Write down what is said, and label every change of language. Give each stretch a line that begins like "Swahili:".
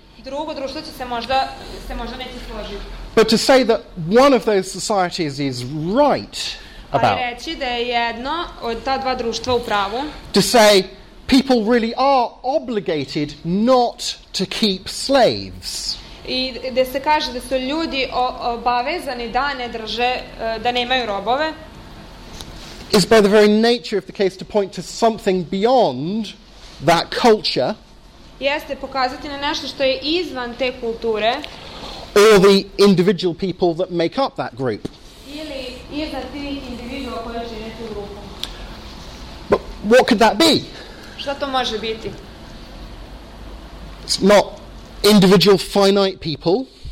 Serbian: Drugo društvo će se možda neće složiti.
English: But to say that one of those societies is right about.
Serbian: Ali reći da je jedno od ta dva društva u pravu.
English: To say people really are obligated not to keep slaves.
Serbian: I da se kaže da su ljudi obavezani da ne drže, da nemaju robove.
English: It's by the very nature of the case to point to something beyond that culture.
Serbian: Jeste pokazati na nešto što je izvan te kulture.
English: Or the individual people that make up that group.
Serbian: Ili iza tih individua koji čine tu grupu.
English: But what could that be?
Serbian: Šta to može biti?
English: It's not individual finite people.